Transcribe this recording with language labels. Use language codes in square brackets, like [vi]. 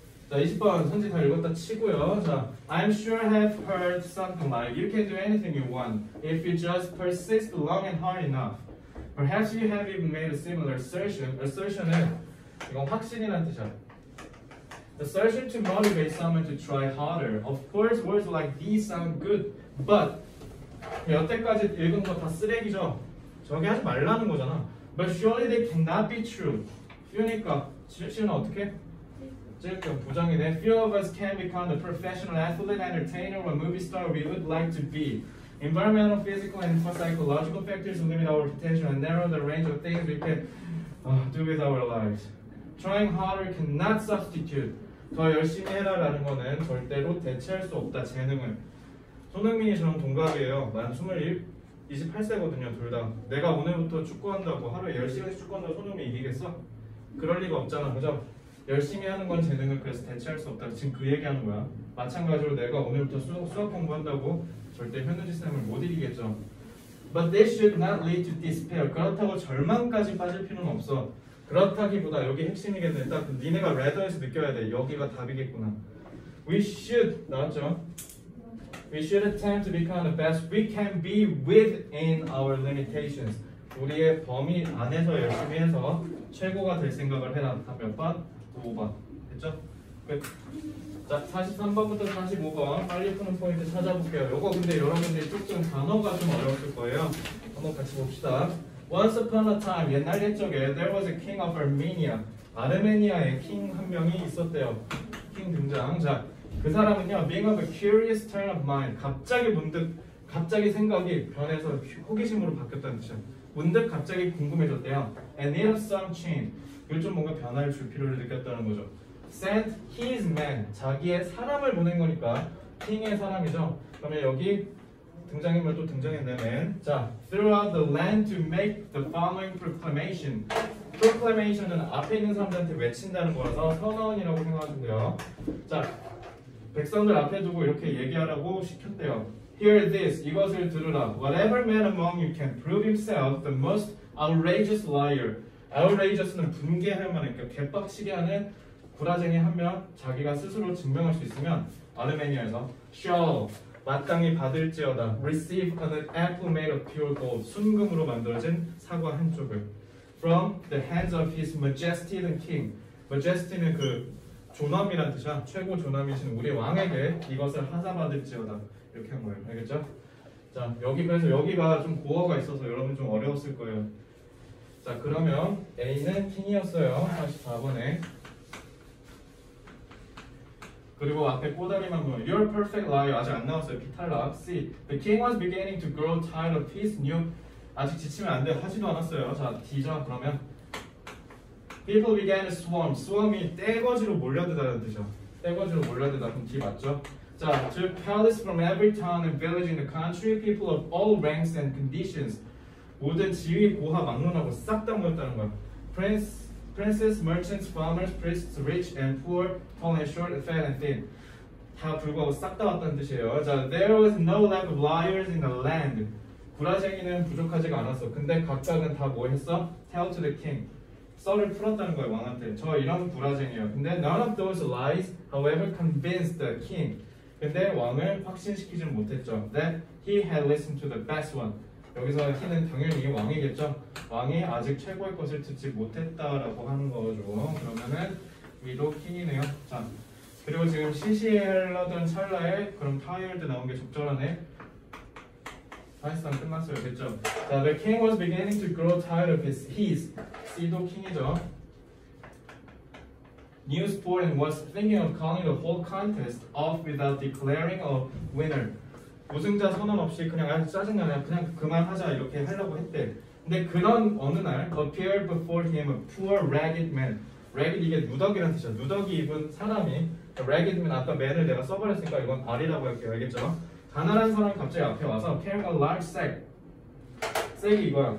[ko] 자, 20번 선지 다 읽었다 치고요. [en] 자, I'm sure have heard something like you can do anything you want if you just persist long and hard enough. Perhaps you have even made a similar assertion. Assertion은 [ko] 이건 확신이란 뜻이야. [en] Assertion to motivate someone to try harder. Of course, words like these sound good, but [ko] 여태까지 읽은 거 다 쓰레기죠. 저게 하지 말라는 거잖아. [en] But surely they cannot be true. [ko] 그러니까 실은 어떻게? 지금 부정이네. [en] Few of us can become the professional athlete, entertainer, or movie star we would like to be. Environmental, physical, and psychological factors limit our potential and narrow the range of things we can do with our lives. Trying harder cannot substitute. [ko] 더 열심히 해라라는 거는 절대로 대체할 수 없다, 재능을. 손흥민이 저랑 동갑이에요. 만 28세거든요, 둘 다. 내가 오늘부터 축구한다고, 하루에 10시간씩 축구한다고 손흥민이 이기겠어? 그럴 리가 없잖아, 그죠? 열심히 하는 건 재능을 그래서 대체할 수 없다. 지금 그 얘기하는 거야. 마찬가지로 내가 오늘부터 수학 공부한다고 절대 현우지 쌤을 못 이기겠죠. But this should not lead to despair. 그렇다고 절망까지 빠질 필요는 없어. 그렇다기보다 여기 핵심이겠네. 딱 니네가 레더에서 느껴야 돼. 여기가 답이겠구나. [en] We should [ko] 나왔죠. [en] We should attempt to become the best we can be within our limitations. [ko] 우리의 범위 안에서 열심히 해서 최고가 될 생각을 해라. 다 몇 번? 5번 됐죠? 끝. 자, 43번부터 45번 빨리 푸는 포인트 찾아볼게요. 요거 근데 여러분들이 조금 단어가 좀 어려웠을 거예요. 한번 같이 봅시다. [en] Once upon a time, [ko] 옛날 옛적에 [en] there was a king of Armenia. [ko] 아르메니아에 킹 한 명이 있었대요. 킹 등장. 자, 그 사람은요, [en] being of a curious turn of mind, [ko] 갑자기 문득 갑자기 생각이 변해서 호기심으로 바뀌었다는 뜻이야. 문득 갑자기 궁금해졌대요. [en] And need of some change. [ko] 이걸 좀 뭔가 변화를 줄 필요를 느꼈다는 거죠. [en] Sent his man. [ko] 자기의 사람을 보낸 거니까 king의 사람이죠. 그러면 여기 등장인물 또 등장했네, man. [en] 자, throughout the land to make the following proclamation. [ko] Proclamation은 앞에 있는 사람들한테 외친다는 거라서 선언이라고 생각하시고요. 자, 백성들 앞에 두고 이렇게 얘기하라고 시켰대요. [en] Hear this, [ko] 이것을 들으라. [en] Whatever man among you can prove himself the most outrageous liar. [ko] Outrageous는 분개할 만한, 그러니까 개빡치게 하는 구라쟁이 한 명, 자기가 스스로 증명할 수 있으면 아르메니아에서 shall 마땅히 받을지어다. [en] Receive an apple made of pure gold. [ko] 순금으로 만들어진 사과 한 쪽을. [en] From the hands of his majesty the king. [ko] Majesty는 그 존엄이란 뜻이야. 최고 존엄이신 우리 왕에게 이것을 하사받을지어다. 이렇게 한 거예요. 알겠죠? 자, 여기에서 여기가 좀 고어가 있어서 여러분 좀 어려웠을 거예요. 자, 그러면 A는 킹이었어요. 44번에. 그리고 앞에 꼬다리만 보면 [en] Your perfect liar [ko] 아직 안 나왔어요. 비탈락. C. [en] The king was beginning to grow tired of his new [ko] 아직 지치면 안 돼. 하지도 않았어요. 자, D죠. 그러면 [en] People began to swarm. [ko] Swarm이 떼거지로 몰려드다라는 뜻이죠. 떼거지로 몰려드다. 그럼 D 맞죠? [en] 자, to palace from every town and village in the country, people of all ranks and conditions. [ko] 모든 지위 고하 막론하고 싹 다 모였다는 거야. [en] Princes, merchants, farmers, priests, rich and poor, tall and short, fat and thin. [ko] 다 불구하고 싹 다 왔다는 뜻이에요. [en] 자, there was no lack of liars in the land. [ko] 구라쟁이는 부족하지가 않았어. 근데 각각은 다 뭐 했어? [en] Tell to the king. [ko] 썰을 풀었다는 거야, 왕한테. 저 이런 구라쟁이에요. [en] 근데 none of those lies, however, convinced the king. [ko] 근데 왕을 확신시키지는 못했죠. [en] That he had listened to the best one. [ko] 여기서 he는 당연히 왕이겠죠. 왕이 아직 최고의 것을 듣지 못했다라고 하는 거죠. 그러면은 위로 킹이네요. 자, 그리고 지금 시시하던 찰나에 그럼 타이어드 나온 게 적절하네. 사실상 끝났어요. 됐죠. [en] 자, the king was beginning to grow tired of his. [ko] C도 킹이죠. [en] New sport and was thinking of calling the whole contest off without declaring a winner. [ko] 우승자 선언 없이 그냥 아주 짜증나네. 그냥 그만하자 이렇게 하려고 했대. 근데 그런 어느 날 [en] appeared before him a poor ragged man. [ko] Ragged 이게 누더기란 뜻이야. 누더기 입은 사람이 ragged 면 아까 man을 내가 써버렸으니까 이건 알이라고 할게요. 알겠죠? 가난한 사람 갑자기 앞에 와서 [en] carrying a large sack. [ko] Sack이 이거야.